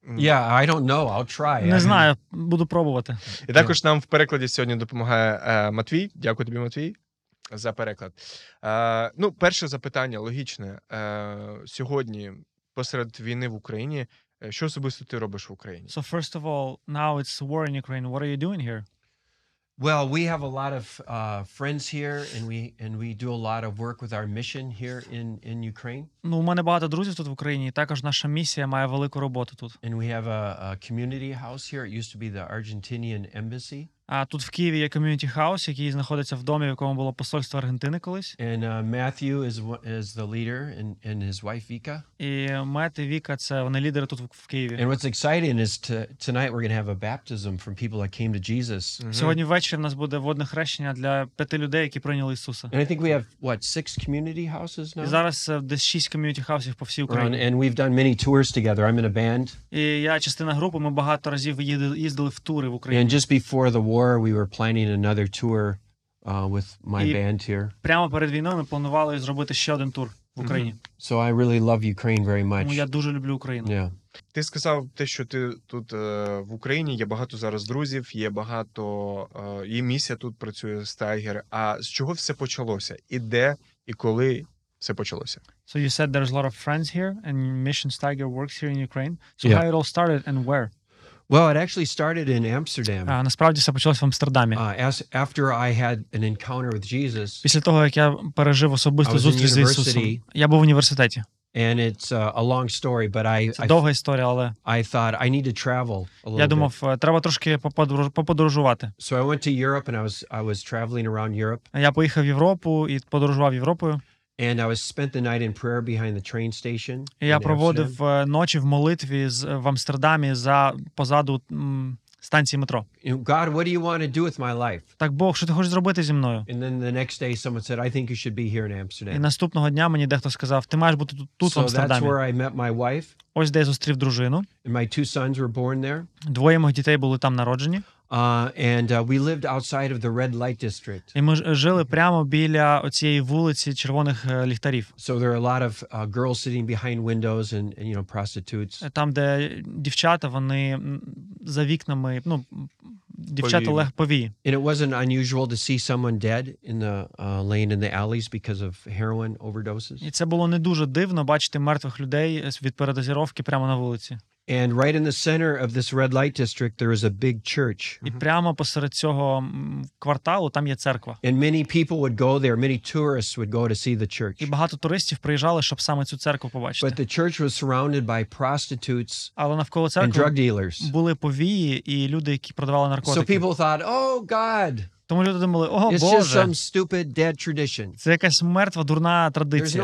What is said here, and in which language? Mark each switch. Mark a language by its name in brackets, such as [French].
[English] Yeah, I don't know. I'll try. [Ukrainian] Не знаю, буду пробувати. І також нам в перекладі сьогодні допомагає Матвій. Дякую тобі, Матвій, за переклад. Ну, перше запитання, логічне. Сьогодні, посеред війни в Україні, що особисто ти робиш в Україні? [English] So, first of all, now it's war in Ukraine. What are you doing here? Well, we have a lot of friends here, and we do a lot of work with our mission here in Ukraine. [Ukrainian] Ну, у мене багато друзів тут в Україні, також наша місія має велику роботу тут. [English] And we have a community house here. It used to be the Argentinian embassy. [Ukrainian] А тут в Києві є [English] community house, [Ukrainian] який знаходиться в домі, в якому було посольство Аргентини колись. [English] And Matthew is the leader and his wife Vika. [Ukrainian] І Мет і Віка це вони лідери тут в Києві. [English] And what's exciting is tonight we're going to have a baptism from people that came to Jesus. Mm-hmm. [Ukrainian] Сьогодні ввечері в нас буде водне хрещення для 5 людей, які прийняли Ісуса. [English] And I think we have what 6 community houses now. [Ukrainian] І зараз десь 6 [English] community houses [Ukrainian] по всій Україні. [English] And we've done many tours together. I'm in a band. [Ukrainian] І я частина групи, ми багато разів їздили в тури в Україні. [English] And just before the war we were planning another tour with my band here. [Ukrainian] Прямо перед війною ми планували зробити ще один тур в Україні. Mm-hmm. [English] So I really love Ukraine very much. [Ukrainian] Я дуже люблю Україну. Yeah. Ти сказав те, що ти тут в Україні, є багато зараз друзів, є багато і місія тут працює Steiger. А з чого все почалося? І де і коли все почалося? [English] So you said there's a lot of friends here and Mission Steiger works here in Ukraine. So yeah. How it all started and where? Well, it actually started in Amsterdam. [Ukrainian] Насправді все почалося в Амстердамі. [English] After I had an encounter with Jesus. [Ukrainian] Після того, як я пережив особисту зустріч з Ісусом. Я був в університеті. [English] And it's a long story, but I [Ukrainian] Це довга історія, але [English] I thought I need to travel a little. [Ukrainian] Я думав, треба трошки подорожувати. [English] So I went to Europe and I was traveling around Europe. [Ukrainian] Я поїхав в Європу і подорожував Європою. [English] And I was spent the night in prayer behind the train station. [Ukrainian] Я проводив ночі в молитві в Амстердамі за позаду станції метро. [English] God, what do you want to do with my life? [Ukrainian] Так, Бог, що ти хочеш зробити зі мною? [English] And then the next day someone said, I think you should be here in Amsterdam. [Ukrainian] І наступного дня мені дехто сказав, ти маєш бути тут в Амстердамі. [English] So that's where I met my wife. [Ukrainian] Ось де я зустрів дружину. [English] And my two sons were born there. [Ukrainian] Двоє моїх дітей були там народжені. [English] We lived outside of the red light district. [Ukrainian] І ми жили прямо біля оцієї вулиці червоних ліхтарів. [English] So there are a lot of girls sitting behind windows and you know prostitutes. [Ukrainian] Там де дівчата, вони за вікнами, ну, дівчата легпові. [English] And it wasn't unusual to see someone dead in the laying in the alleys because of heroin overdoses. [Ukrainian] І це було не дуже дивно бачити мертвих людей від передозировки прямо на вулиці. [English] And right in the center of this red light district there is a big church. [Ukrainian] І прямо посеред цього кварталу там є церква. [English] And many people would go there, many tourists would go to see the church. [Ukrainian] І багато туристів приїжджали, щоб саме цю церкву побачити. [English] But the church was surrounded by prostitutes. [Ukrainian] Але навколо церкви [English] and drug dealers. [Ukrainian] Були повії і люди, які продавали наркотики. [English] So people thought, "Oh God." [Ukrainian] Тому люди думали, о, [English] It's [Ukrainian] Боже, [English] just some stupid dead tradition. [Ukrainian] Це якась мертва, дурна традиція.